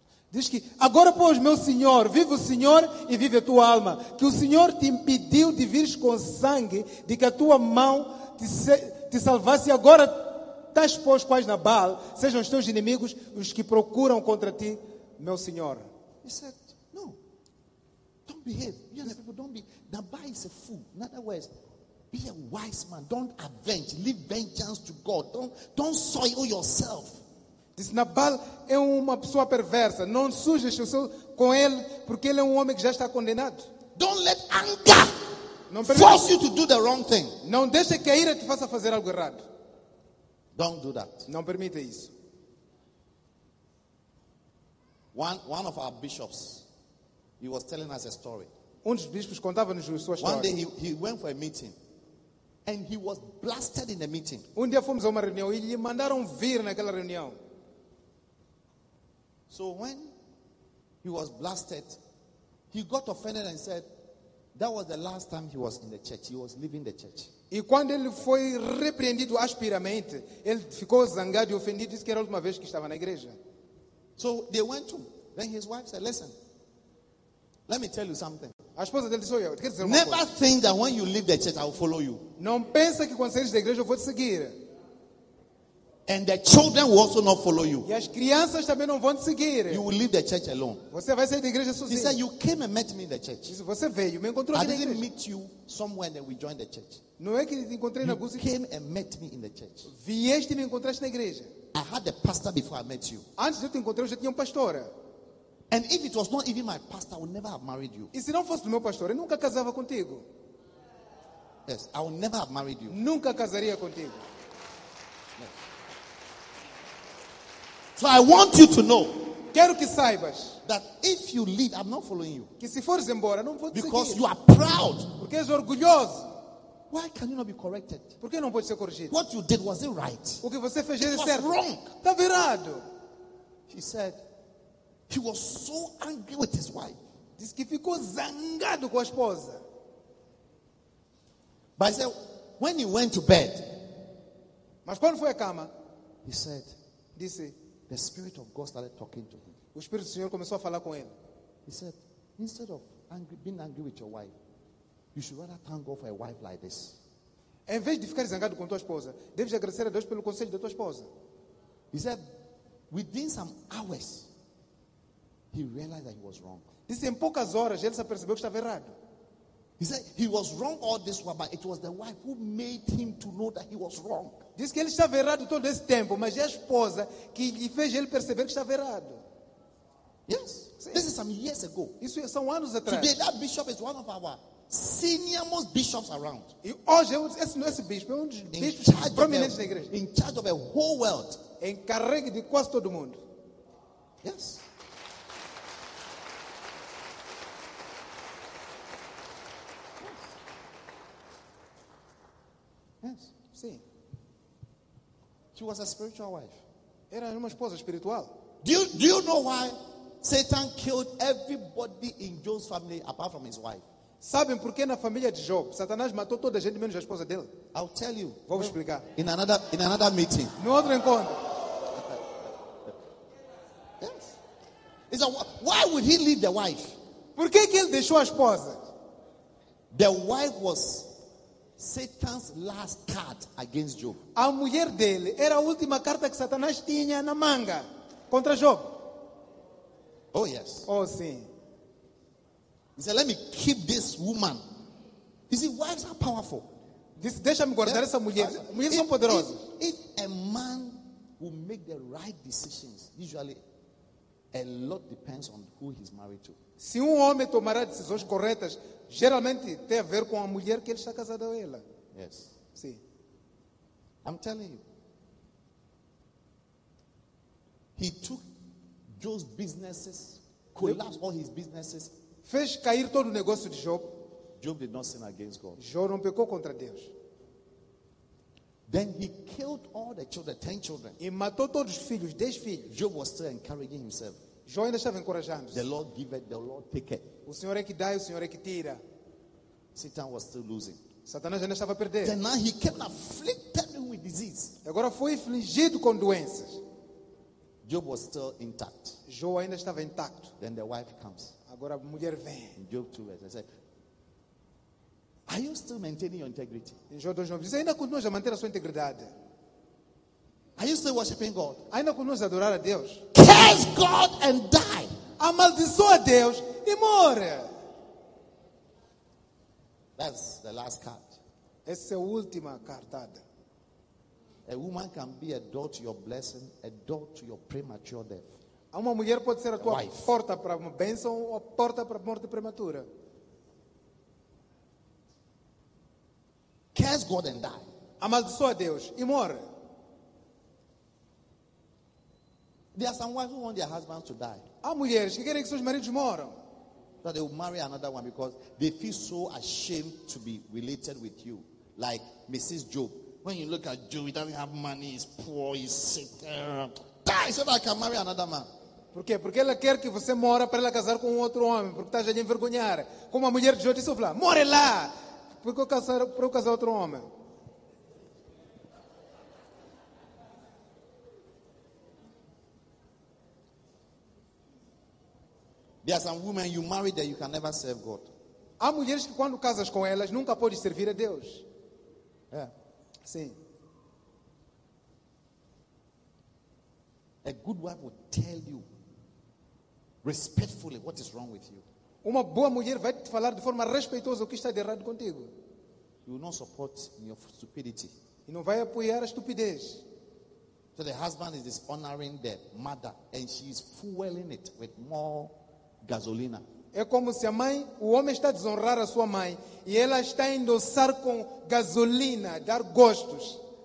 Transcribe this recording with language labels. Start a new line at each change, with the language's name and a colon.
Portuguese: Diz que, agora pois, meu Senhor, vive o Senhor e vive a tua alma, que o Senhor te impediu de vires com sangue, de que a tua mão te salvasse agora. Tais pois quais Nabal sejam os teus inimigos, os que procuram contra ti, meu Senhor.
English: He said, "No, don't behave. You and the people don't be. Nabal is a fool. In other words, be a wise man. Don't avenge. Leave vengeance to God. Don't soil yourself."
Portuguese: Diz, Nabal é uma pessoa perversa. Não sujes o seu com ele, porque ele é um homem que já está condenado.
English: Don't let anger force you to do the wrong thing.
Portuguese: Não deixe que a ira te faça fazer algo errado.
English: Don't do that.
Portuguese: Não permita isso.
English: One of our bishops, he was telling us a story.
Portuguese: Um dos bispos contava-nos sua história.
English: One day he went for a meeting. And he was blasted in the meeting.
Portuguese: Um dia fomos a uma reunião e lhe mandaram vir naquela reunião.
English: So when he was blasted, he got offended and said, that was the last time he was in the church. He was leaving the church.
Portuguese: E quando ele foi repreendido aspiramente, ele ficou zangado e ofendido, disse que era a última vez que estava na igreja.
English: So they went to, then his wife said, listen, let me tell you something.
Portuguese: A esposa dele disse, quer dizer,
English: never think that when you leave the church, I will follow you.
Portuguese: Não pensa que quando saís da igreja eu vou te seguir.
English: And the children will also not follow you.
Portuguese: E as crianças também não vão te seguir.
English: You will leave the church alone.
Portuguese: Você vai sair da igreja sozinho.
English: He said, you came and met me in the church.
Portuguese: Disse, você veio, me encontrou
English: I
Portuguese: aqui na igreja.
English: I didn't meet you somewhere and then we joined the church.
Portuguese: Não é que te encontrei
English: you
Portuguese: na busca.
English: You came and met me in the church.
Portuguese: Vieste e me encontraste na igreja.
English: I had a pastor before I met you.
Portuguese: Antes de eu te encontrar, eu já tinha pastor.
English: And if it was not even my pastor, I would never have married you.
Portuguese: E se não fosse o meu pastor, eu nunca casava contigo.
English: Yes, I would never have married you.
Portuguese: Nunca casaria contigo.
English: So I want you to know,
Portuguese: quero que saibas,
English: that if you leave, I'm not following you.
Portuguese: Que se fores embora, não vou te
English: because
Portuguese: seguir.
English: You are proud.
Portuguese: Porque és orgulhoso.
English: Why can you not be corrected?
Portuguese: Por que não pode ser corrigido?
English: What you did was it right?
Portuguese: O que você fez era
English: it
Portuguese: certo.
English: Was wrong.
Portuguese: Tá virado.
English: He said, he was so angry with his wife.
Portuguese: Diz que ficou zangado com a esposa.
English: But I said, when he went to bed,
Portuguese: mas quando foi à cama,
English: he said,
Portuguese: disse,
English: the Spirit of God started talking to him.
Portuguese: O Espírito do Senhor começou a falar com ele.
English: He said, instead of angry, being angry with your wife, you should rather thank God for a wife like this.
Portuguese: Em vez de ficar zangado com tua esposa, deves agradecer a Deus pelo conselho da tua esposa.
English: He said, within some hours, he realized that he was wrong.
Portuguese: Disse, em poucas horas, ele se percebeu que estava errado.
English: He said, he was wrong all this while, but it was the wife who made him to know that he was wrong.
Portuguese: Diz que ele estava errado todo esse tempo, mas é a esposa que lhe fez ele perceber que estava errado.
English: Yes.
Portuguese: Sim.
English: This is some years ago.
Portuguese: Isso é, são anos atrás.
English: Today, that bishop is one of our senior most bishops around.
Portuguese: E hoje, esse bishop é um dos bishops prominentes da igreja.
English: In charge of a whole world.
Portuguese: Encarregue de quase todo mundo.
English: Yes. Yes.
Portuguese: Sim.
English: She was a spiritual wife.
Portuguese: Era uma esposa espiritual.
English: Do you know why Satan killed everybody in Job's family apart from his wife?
Portuguese: Sabem por que na família de Job Satanás matou toda a gente menos a esposa dele?
English: I'll tell you.
Portuguese: Vou explicar.
English: In another meeting.
Portuguese: No outro encontro.
English: Yes. Is a why would he leave the wife?
Portuguese: Por que ele deixou a esposa?
English: The wife was Satan's last card against Job.
Portuguese: A mulher dele era a última carta que Satanás tinha na manga contra Job.
English: Oh yes.
Portuguese: Oh sim.
English: He said, "Let me keep this woman." You see, wives are powerful. This
Portuguese: deixa-me guardar
English: yeah.
Portuguese: Essa mulher. Mulheres são poderosas.
English: If a man will make the right decisions, usually a lot depends on who he's married to.
Portuguese: Se homem tomará decisões corretas, geralmente tem a ver com a mulher que ele está casado com ela.
English: Yes.
Portuguese: Sim.
English: I'm telling you. He took Job's businesses, collapsed all his businesses.
Portuguese: Fez cair todo o negócio de Job.
English: Job did not sin against God.
Portuguese: Job não pecou contra Deus.
English: Then he killed all the children, 10 children.
Portuguese: E matou todos os filhos, 10 filhos.
English: Job was still encouraging himself.
Portuguese: Jó ainda estava encorajando.
English: The Lord give it, the Lord take it.
Portuguese: O Senhor é que dá, o Senhor é que tira.
English: Satan was still losing.
Portuguese: Satanás ainda estava a perder.
English: Then now he kept afflicting with disease.
Portuguese: Agora foi afligido com doenças.
English: Job was still intact.
Portuguese: Jó ainda estava intacto.
English: Then the wife comes.
Portuguese: Agora a mulher vem.
English: In Job 2, I said, are you still maintaining your integrity?
Portuguese: Jó 2, diz, ainda continuas a manter a sua integridade.
English: Are you still worshiping God?
Portuguese: Ainda continuas a adorar a Deus?
English: Curse God and die.
Portuguese: Amaldiçoa Deus e morre.
English: That's the last card.
Portuguese: Essa é a última cartada.
English: A woman can be a door to your blessing, a door to your premature death.
Portuguese: Uma mulher pode ser a tua porta para uma bênção ou a porta para a morte prematura.
English: Curse God and die.
Portuguese: Amaldiçoa Deus e morre.
English: There are some wives who want their husbands to die.
Portuguese: Há mulheres que querem que seus maridos morram.
English: that they will marry another one because they feel so ashamed to be related with you. Like Mrs. Job. When you look at Job, he doesn't have money, he's poor, he's sick. Die! So that I can marry another man.
Portuguese: Por quê? Porque ela quer que você mora para ela casar com outro homem, porque está já de envergonhar. Como a mulher de Jó disse, falou, more lá, porque eu casar, para eu casar outro homem.
English: There are some women you marry that you can never serve God.
Portuguese: Há mulheres que quando casas com elas nunca podes servir a Deus. É. Sim.
English: A good wife will tell you respectfully what is wrong with you.
Portuguese: Uma boa mulher vai te falar de forma respeitosa o que está de errado contigo.
English: You will not support your stupidity.
Portuguese: E não vai apoiar a estupidez.
English: So the husband is dishonoring the mother and she is fueling it with more gasolina.
Portuguese: É como se a mãe, o homem está a desonrar a sua mãe e ela está a endossar com gasolina, dar gostos.